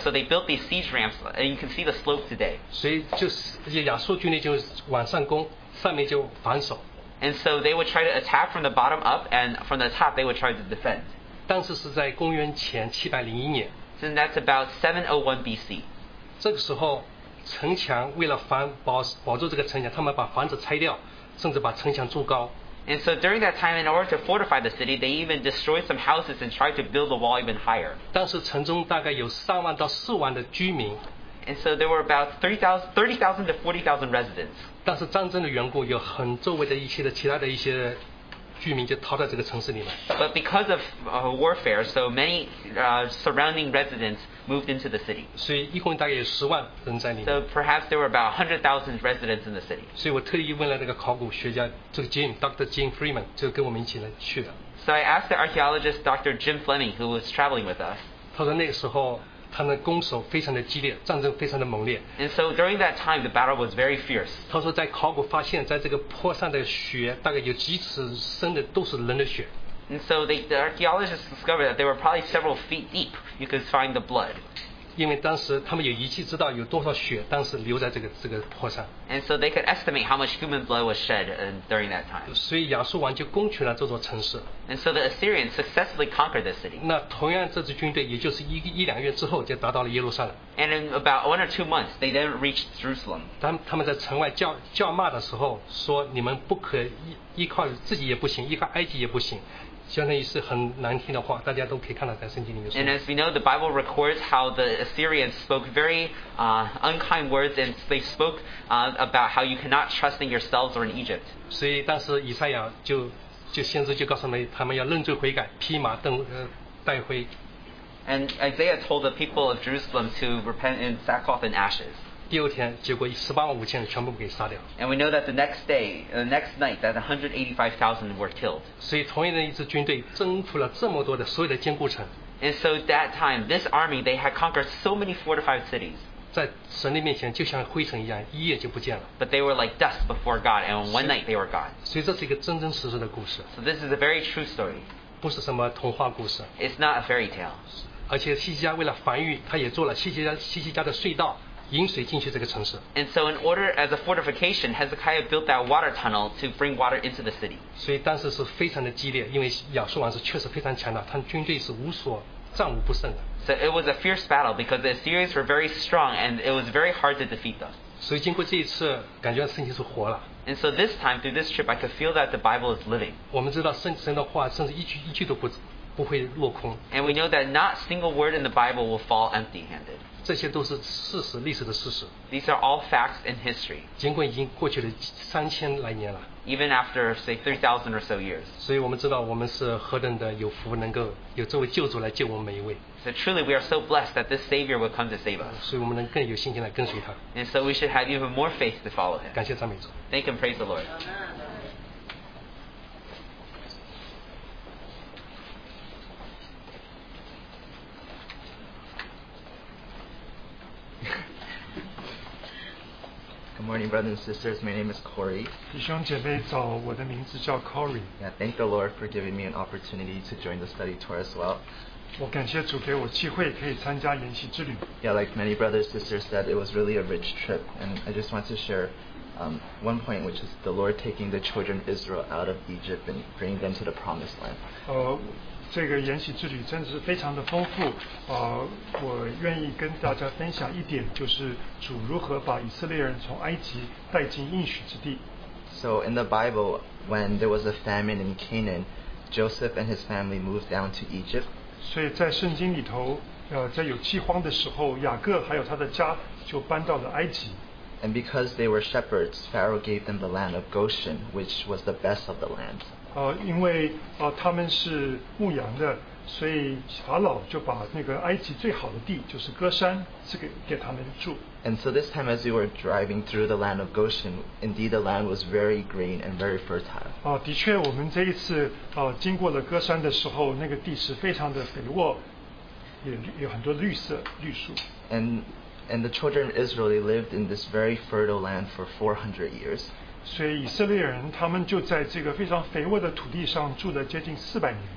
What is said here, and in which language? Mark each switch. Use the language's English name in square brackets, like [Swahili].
[English] So they built these siege ramps and you can see the slope today. [Chinese] 所以就是亚述军队就往上攻，上面就防守。 [English] And so they would try to attack from the bottom up and from the top they would try to defend. [Chinese] 当时是在公元前701年。 [English] So that's about 701 BC. [Chinese] 这个时候，城墙为了保住这个城墙，他们把房子拆掉，甚至把城墙筑高。 [English] And so during that time, in order to fortify the city, they even destroyed some houses and tried to build the wall even higher. [Chinese] 当时城中大概有三万到四万的居民。 [English] And so there were about 30,000 to 40,000 residents. [Chinese] 但是战争的缘故，有很周围的一些的其他的一些。居民就逃到这个城市里面。 [English] But because of warfare, so many surrounding residents moved into the city. [Chinese] 所以一共大概有十万人在里面。 [English] So perhaps there were about 100,000 residents in the city. [Chinese] 所以我特意问了那个考古学家，这个 Dr. Jim Freeman 就跟我们一起来去的。 [English] So I asked the archaeologist Dr. Jim Fleming, who was traveling with us. [Chinese] 他说那个时候他们攻守非常的激烈，战争非常的猛烈。 [English] And so during that time, the battle was very fierce. [Chinese] 他说在考古发现，在这个坡上的雪大概有几尺深的都是人的血。 [English] And so the archaeologists discovered that they were probably several feet deep. You could find the blood. [Chinese] 因为当时他们有仪器知道有多少血当时流在这个坡上。 [English] And so they could estimate how much human blood was shed during that time. [Chinese] 所以亚述王就攻取了这座城市。 [English] And so the Assyrians successfully conquered this city. [Chinese] 那同样这支军队也就是一两月之后就达到了耶路撒冷。 [English] And in about 1 or 2 months, they then reached Jerusalem. [Chinese] 他们在城外叫骂的时候说你们不可依靠自己也不行，依靠埃及也不行。相当于是很难听的话，大家都可以看到在圣经里面说。 [English] And as we know, the Bible records how the Assyrians spoke very unkind words, and they spoke about how you cannot trust in yourselves or in Egypt. [Chinese] 所以当时以赛亚就先知就告诉他们要认罪悔改，披麻带灰。 [English] And Isaiah told the people of Jerusalem to repent in sackcloth and ashes. [Chinese] 第二天，结果185,000全部给杀掉。 [English] And we know that the next night, that 185,000 were killed. [Chinese] 所以同样的一支军队征服了这么多的所有的坚固城。 [English] And so that time, this army, they had conquered so many fortified cities. [Chinese] 在神的面前就像灰尘一样，一夜就不见了。 [English] But they were like dust before God, and one night they were gone. [Chinese] 所以这是一个真真实实的故事。 [English] So this is a very true story. [Chinese] 不是什么童话故事。 [English] It's not a fairy tale. [Chinese] 而且西西家为了繁育，他也做了西西家的隧道。引水进去这个城市。 [English] And so, in order as a fortification, Hezekiah built that water tunnel to bring water into the city. [Chinese] 所以当时是非常的激烈，因为亚述王是确实非常强大，他们军队是无所战无不胜的。 [English] So it was a fierce battle because the Assyrians were very strong and it was very hard to defeat them. [Chinese] 所以经过这一次，感觉圣经是活了。 [English] And so this time through this trip, I could feel that the Bible is living. [Chinese] 我们知道神的话甚至一句都不会落空。 [English] And we know that not a single word in the Bible will fall empty-handed. [Chinese] 这些都是事实，历史的事实。 [English] These are all facts in history. [Chinese] 尽管已经过去了3000来年了。 [English] Even after say 3,000 or so years. [Chinese] 所以我们知道我们是何等的有福，能够有这位救主来救我们每一位。 [English] So truly, we are so blessed that this Savior will come to save us. [Chinese] 所以我们能更有信心来跟随他。 [English] And so we should have even more faith to follow Him. [Chinese] 感谢赞美主。 [English] Thank and praise the Lord. Good morning, brothers and sisters. My name is Corey. [Chinese] 弟兄姐妹早，我的名字叫 Corey. [English] Yeah, thank the Lord for giving me an opportunity to join the study tour as well. [Chinese] 我感谢主给我机会可以参加研习之旅。 [English] Yeah, like many brothers and sisters said, it was really a rich trip. And I just want to share one point, which is the Lord taking the children of Israel out of Egypt and bringing them to the promised land. [Chinese] 这个研习之旅真的是非常的丰富，我愿意跟大家分享一点，就是主如何把以色列人从埃及带进应许之地。 [English] So in the Bible, when there was a famine in Canaan, Joseph and his family moved down to Egypt. [Chinese] 所以在圣经里头，在有饥荒的时候，雅各还有他的家就搬到了埃及。 [English] And because they were shepherds, Pharaoh gave them the land of Goshen, which was the best of the land. [Chinese] 因为他们是牧羊的，所以法老就把那个埃及最好的地，就是歌山，赐给他们住。 [English] And so this time, as we were driving through the land of Goshen, indeed the land was very green and very fertile. [Chinese] 的确，我们这一次经过了歌山的时候，那个地是非常的肥沃，也有很多绿色绿树。 [English] And the children of Israel, they lived in this very fertile land for 400 years. [Chinese] 所以以色列人他们就在这个非常肥沃的土地上住了接近400年。